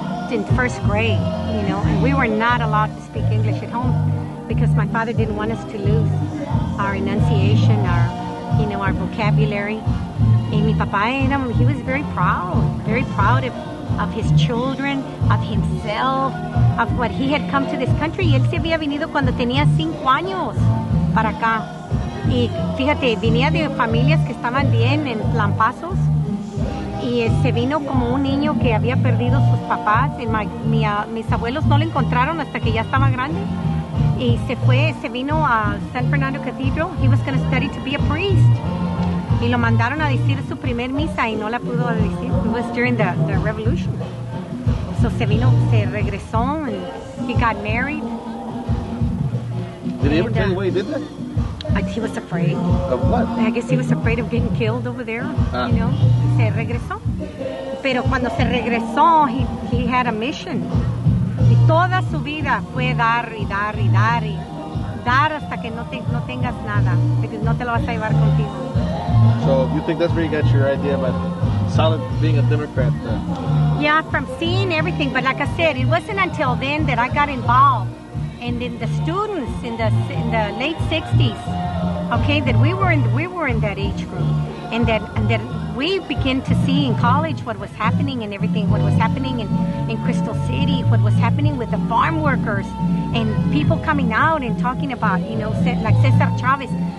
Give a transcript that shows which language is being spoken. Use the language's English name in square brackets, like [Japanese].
[English] In first grade, you know, and we were not allowed to speak English at home because my father didn't want us to lose our enunciation, our, you know, our vocabulary. And [Spanish] mi papá, [English] you know, he was very proud of his children, of himself, of what he had come to this country. [Spanish] Él se había venido cuando tenía 5 años para acá. Y fíjate, venía de familias que estaban bien en Lampazos. Y se vino como un niño que había perdido sus papás. Y mis abuelos no lo encontraron hasta que ya estaba grande. Y se vino a [English] San Fernando Cathedral. He was going to study to be a priest. [Spanish] Y lo mandaron a decir su primer misa y no la pudo decir. [English] It was during the revolution. So [Spanish] se vino, se regresó, [English] and he got married. Did he ever tell you what he did that? He was afraid. Of what? I guess he was afraid of getting killed over there. You know, [Spanish] se regresó. Pero cuando se regresó, [English] he had a mission. [Spanish] Y toda su vida fue dar y dar y dar y dar hasta que no tengas nada, porque no te lo vas a llevar contigo. [English] So you think that's where you got your idea about solid being a Democrat? Yeah, from seeing everything. But like I said, it wasn't until then that I got involved. And then the students in the late 60s, okay, that we were in that age group, and that we began to see in college what was happening and everything, what was happening in Crystal City, what was happening with the farm workers and people coming out and talking about, you know, like Cesar Chavez.